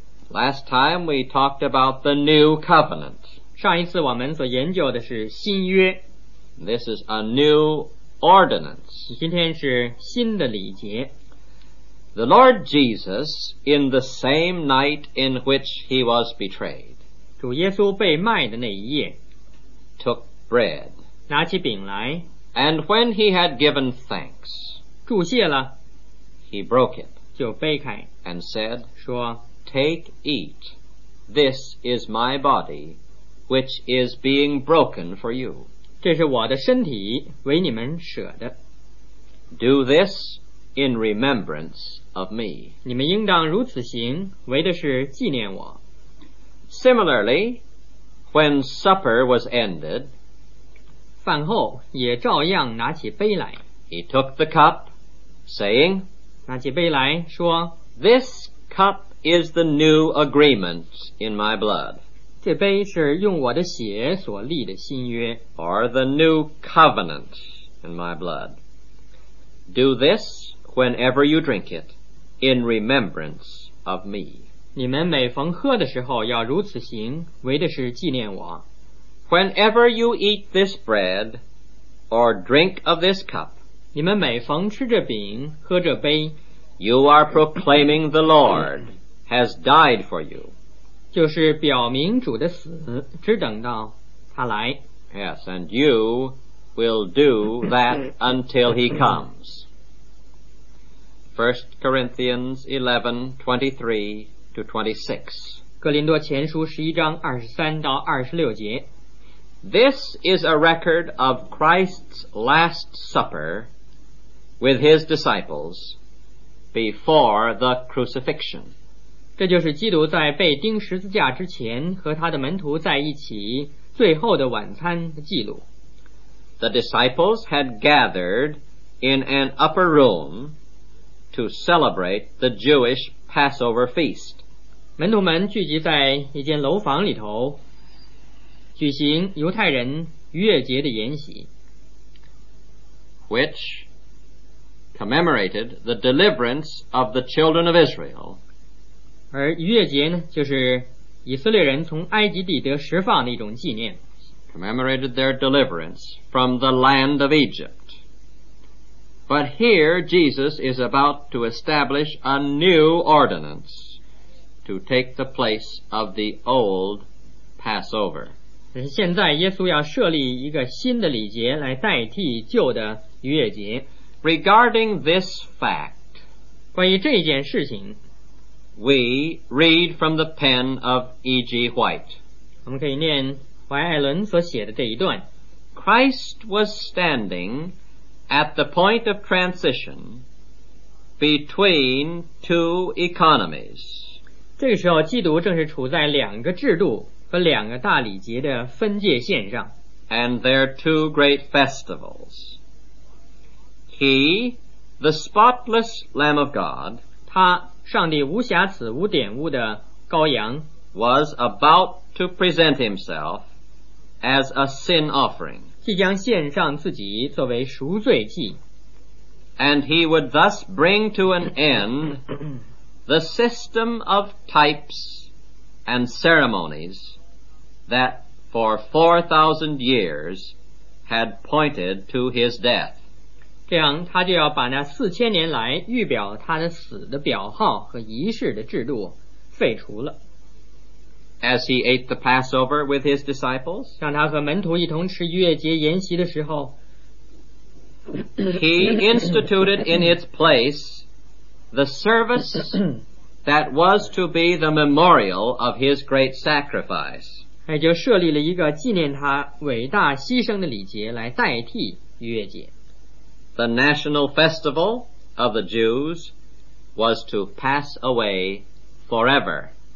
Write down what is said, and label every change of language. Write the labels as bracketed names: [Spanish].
[English] Last time we talked about the new covenant. [Chinese] 上一次我们所研究的是新约。 [English] This is a new ordinance. [Chinese] 今天是新的礼节。 [English] The Lord Jesus, in the same night in which he was betrayed, [Chinese] 主耶稣被卖的那一夜, [English] took bread, [Chinese] 拿起饼来, [English] and when he had given thanks, [Chinese] 祝谢了, [English] he broke it, [Chinese] 就掰开, [English] and said, [Chinese] 说, [English] Take, eat, this is my body, which is being broken for you. [Chinese] 这是我的身体，为你们舍的。 [English] Do this in remembrance of me. [Chinese] 你们应当如此行，为的是纪念我。 [English] Similarly, when supper was ended, [Chinese] 饭后也照样拿起杯来。 [English] He took the cup, saying, [Chinese] 拿起杯来说, [English] This cup is the new agreement in my blood. [Chinese] 这杯是用我的血所立的新约。 [English] Or the new covenant in my blood. Do this whenever you drink it, in remembrance of me. [Chinese] 你们每逢喝的时候要如此行，为的是纪念我。 [English] Whenever you eat this bread, or drink of this cup, [Chinese] 你们每逢吃着饼，喝着杯， [English] you are proclaiming the Lord has died for you. [Chinese] 就是表明主的死，只等到他来。 [English] Yes, and you will do that until he comes. 1 Corinthians 11:23-26. [Chinese] 哥林多前书十一章二十三到二十六节。 [English] This is a record of Christ's last supper with his disciples before the crucifixion. [Chinese] 这就是基督在被钉十字架之前和他的门徒在一起最后的晚餐的记录。 [English] The disciples had gathered in an upper room to celebrate the Jewish Passover feast. [Chinese] 门徒们聚集在一间楼房里头，举行犹太人逾越节的筵席。 [English] Which commemorated the deliverance of the children of Israel. [Chinese] 而逾越节呢，就是以色列人从埃及地得释放的一种纪念。 [English] Commemorated their deliverance from the land of Egypt. But here Jesus is about to establish a new ordinance to take the place of the old Passover. [Chinese] 但是现在耶稣要设立一个新的礼节来代替旧的逾越节。 [English] Regarding this fact, [Chinese] 关于这件事情， [English] We read from the pen of E.G. White. [Chinese] 我们可以念怀艾伦所写的这一段。 [English] Christ was standing at the point of transition between two economies. [Chinese] 这个时候基督正是处在两个制度和两个大礼节的分界线上。 [English] And there are two great festivals. He, the spotless Lamb of God, [Chinese] 他上帝无瑕疵无玷污的羔羊 [English] was about to present himself as a sin offering. [Chinese] 即将献上自己作为赎罪祭。 [English] And he would thus bring to an end the system of types and ceremonies that for 4,000 years had pointed to his death. [Chinese] 这样他就要把那四千年来预表他的死的表号和仪式的制度废除了。 [English] As he ate the Passover with his disciples, [Chinese] 像他和门徒一同吃逾越节筵席的时候， [English] He instituted in its place the service that was to be the memorial of his great sacrifice. [Chinese] 也就设立了一个纪念他伟大牺牲的礼节来代替逾越节。 [English] The national festival of the Jews was to pass away forever.